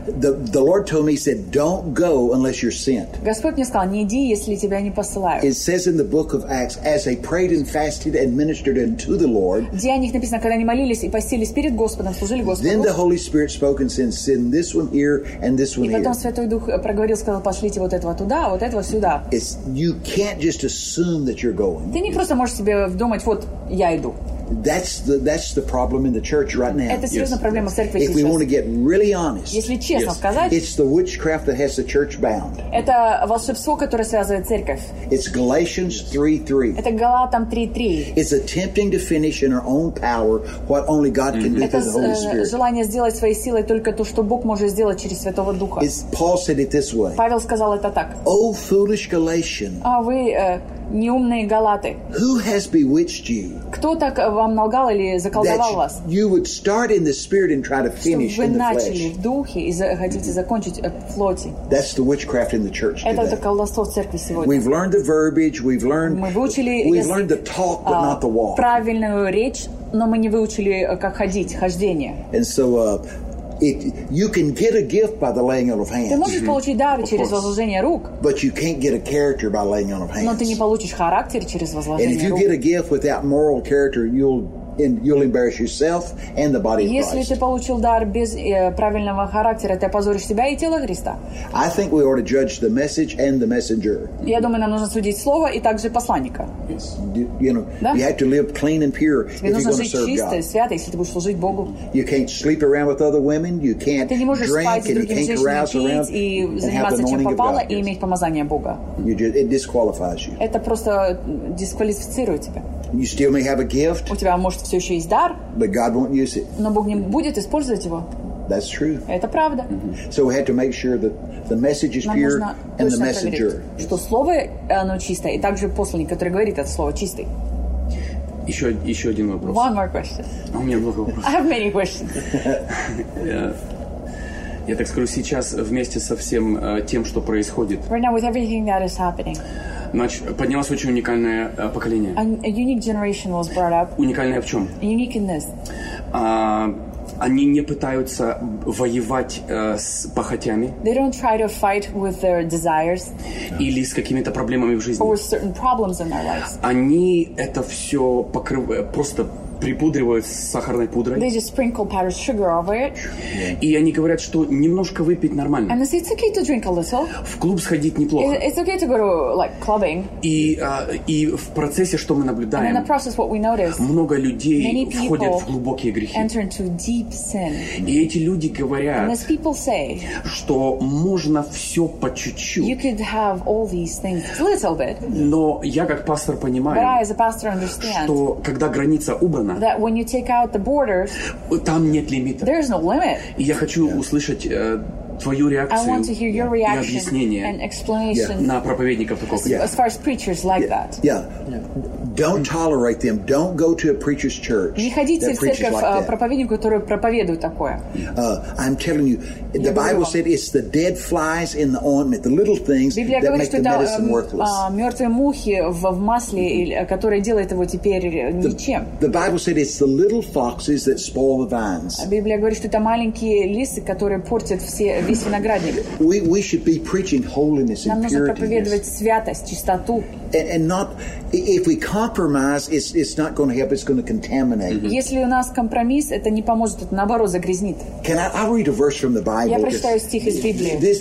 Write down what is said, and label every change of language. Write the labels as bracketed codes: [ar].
[en] The Lord told me, he said, don't go unless you're sent. [ru] Господь мне сказал, не иди, если тебя не посылают. [en] It says in the book of Acts, as they prayed and fasted and ministered unto the Lord. [ru] В Деяниях написано, когда они молились и постились перед Господом, служили Господу. [en] Then the Holy Spirit spoke and said, send this one here and this one here. [ru] И потом Святой Дух проговорил, сказал, пошлите вот этого туда, вот этого сюда. [en] It's you can't just assume that you're going. [ru] Ты не просто можешь себе думать, вот, я иду. [en] That's the problem in the church right now. [ru] Это серьезная yes. проблема в церкви сейчас. [en] If we want to get really honest, [ru] если честно yes. сказать, [en] it's the witchcraft that has the church bound. [ru] Это волшебство, которое связывает церковь. [en] It's Galatians 3:3. [ru] Это Галатам 3:3. [en] It's attempting to finish in our own power what only God can mm-hmm. do through the Holy Spirit. [ru] Это желание сделать своей силой только то, что Бог может сделать через Святого Духа. [en] It's, Paul said it this way. [ru] Павел сказал это так. [en] Oh, foolish Galatian. [ru] А вы неумные галаты. [en] Who has bewitched you? [ru] Кто так вам налгал или заколдовал вас? [en] You would start in the spirit and try to finish in the flesh. [ru] Вы начали в духе и хотите закончить в плоти. [en] That's the witchcraft in the church today. [ru] Это колдовство в церкви сегодня. [en] We've learned the verbiage, we've learned the talk, but not the walk. [ru] Правильную речь, но мы не выучили, как ходить, хождение. [en] And so, you can get a gift by the laying on of hands. [ru] Ты можешь получить дар через возложение рук. [en] But you can't get a character by laying on of hands. [ru] Но ты не получишь характер через возложение рук. [en] And if you get a gift without moral character, you'll embarrass yourself and the body of Christ. [ru] Если ты получил дар без правильного характера, ты опозоришь себя и тело Христа. [en] I think we ought to judge the message and the messenger. [ru] Я думаю, нам нужно судить слово и также посланника. [en] You know, [ru] да? [en] You have to live clean and pure if you're going to serve God. [ru] Чисто, свято, если ты будешь служить Богу. [en] You can't sleep around with other women. You can't drink and you can't carouse around and have the anointing of God. [ru] И иметь помазание Бога. [en] It disqualifies you. [ru] Это просто дисквалифицирует тебя. [en] You still may have a gift. [ru] У тебя, может, все еще есть дар. [en] But God won't use it. [ru] Но Бог не будет использовать его. [en] That's true. [ru] Это правда. Mm-hmm. [en] So we have to make sure that the message is [ru] нам [en] pure and the messenger. [ru] Проверить, что слово, оно чистое, и также посланник, который говорит это слово, чистый. Еще один вопрос. [en] One more question. [ru] А у меня много вопросов. [en] I have many questions. [ru] Я так скажу, сейчас вместе со всем тем, что происходит. [en] Right now with everything that is happening. [ru] Поднялось очень уникальное поколение. [en] A unique generation was brought up. [ru] Уникальное в чем? [en] Unique in this. [ru] Они не пытаются воевать с похотями. [en] They don't try to fight with their desires. [ru] Или с какими-то проблемами в жизни. [en] Or with certain problems in their lives. [ru] Они это все просто припудривают сахарной пудрой. [en] They just sprinkle powdered sugar over it. [ru] И они говорят, что немножко выпить нормально. [en] And they say it's okay to drink a little. [ru] В клуб сходить неплохо. [en] It's okay to go to like clubbing. [ru] И в процессе, что мы наблюдаем, [en] and in the process, what we notice, [ru] много людей входят в глубокие грехи. [en] Enter into deep sin. [ru] И эти люди говорят, [en] and as people say, [ru] что можно все по чуть-чуть. [en] You could have all these things a little bit. [ru] Но я как пастор понимаю, [en] but I, as a pastor, understand, [ru] что когда граница убрана, [en] that when you take out the borders, [ru] там нет лимита. [en] There's no limit. [ru] И я хочу услышать твою реакцию. [en] I want to hear your reaction, [ru] и объяснение [en] and explanation [ru] на проповедников такого. [en] As far as preachers like that. Yeah. Don't tolerate them. Don't go to a preacher's church. [ru] Не ходите в церковь проповеднику, который проповедует такое. [en] I'm telling you, the Bible said it's the dead flies in the ointment, the little things that make the medicine worthless. [ru] Мертвые мухи в масле, которые делают его теперь ничем. [en] The Bible said it's the little foxes that spoil the vines. [ru] Библия говорит, что это маленькие лисы, которые портят весь виноградник. [en] We should be preaching holiness and purity. [ru] Нам нужно проповедовать святость, чистоту. [en] And not if we compromise, it's not going to help. It's going to contaminate. [ru] Если у нас компромисс, это не поможет, это наоборот загрязнит. [en] Can I? I'll read a verse from the Bible. [ru] Я прочитаю стих из Библии.